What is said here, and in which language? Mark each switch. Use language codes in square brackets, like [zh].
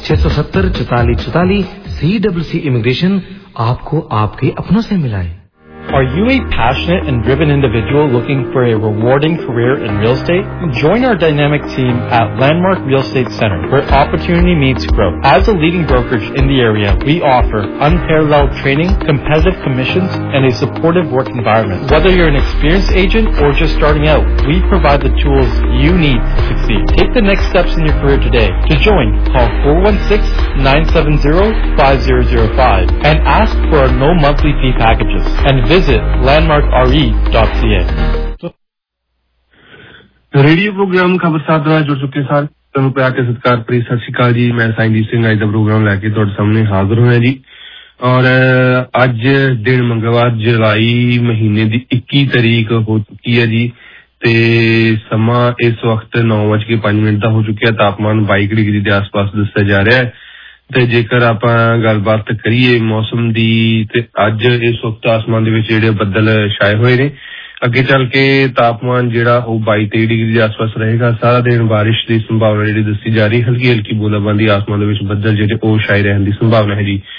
[hi] 670-4444, CWC Immigration, आपको आपके अपनों से मिलाए। [en] Are you a passionate and driven individual looking for a rewarding career in real estate? Join our dynamic team at Landmark Real Estate Center, where opportunity meets growth. As a leading brokerage in the area, we offer unparalleled training, competitive commissions, and a supportive work environment. Whether you're an experienced agent or just starting out, we provide the tools you need to succeed. Take the next steps in your career today. To join, call 416-970-5005 and ask for our no monthly fee packages. And visit landmarkre.ca. [pa] Radio programme ਖਬਰਸਾਰ ਦਾ ਜੁੜ ਚੁੱਕੇ sir ਤੁਹਾਨੂੰ ਪਿਆਰ ਤੇ ਸਤਿਕਾਰ ਭਰੀ ਸਤਿ ਸ੍ਰੀ ਅਕਾਲ ਜੀ ਮੈਂ ਸਾਈਂਦੀਪ ਸਿੰਘ ਅੱਜ ਦਾ ਪ੍ਰੋਗਰਾਮ ਲੈ ਕੇ ਤੁਹਾਡੇ ਸਾਹਮਣੇ ਹਾਜ਼ਰ ਹੋਇਆ ਜੀ ਔਰ ਅੱਜ ਦਿਨ ਮੰਗਲਵਾਰ ਜੁਲਾਈ ਮਹੀਨੇ ਦੀ 21 ਤਰੀਕ ਹੋ ਚੁੱਕੀ ਹੈ ਜੀ ਤੇ ਸਮਾਂ ਇਸ ਵਕਤ 9:05 ਦਾ ਹੋ ਚੁੱਕਿਆ ਤਾਪਮਾਨ 22 ਡਿਗਰੀ ਦੇ ਆਸ ਪਾਸ ਦੱਸਿਆ ਜਾ ਰਿਹਾ ਤੇ ਜੇਕਰ ਆਪਾਂ ਗੱਲਬਾਤ ਕਰੀਏ ਮੌਸਮ ਦੀ ਤੇ ਅੱਜ ਇਸ ਵਕਤ ਆਸਮਾਨ ਦੇ ਵਿਚ ਜਿਹੜੇ ਬੱਦਲ ਛਾਏ ਹੋਏ ਨੇ ਅੱਗੇ ਚੱਲ ਕੇ ਤਾਪਮਾਨ ਜਿਹੜਾ ਉਹ 22-23 ਡਿਗਰੀ ਦੇ ਆਸ ਪਾਸ ਰਹੇਗਾ ਸਾਰਾ ਦਿਨ ਬਾਰਿਸ਼ ਦੀ ਸੰਭਾਵਨਾ ਜਿਹੜੀ ਦੱਸੀ ਜਾ ਰਹੀ ਹਲਕੀ ਹਲਕੀ ਬੂੰਦਾਬਾਂਦੀ ਆਸਮਾਨ ਦੇ ਵਿਚ ਬੱਦਲ ਜਿਹੜੇ ਉਹ ਛਾਏ ਰਹਿਣ ਦੀ ਸੰਭਾਵਨਾ ਹੈ ਜੀ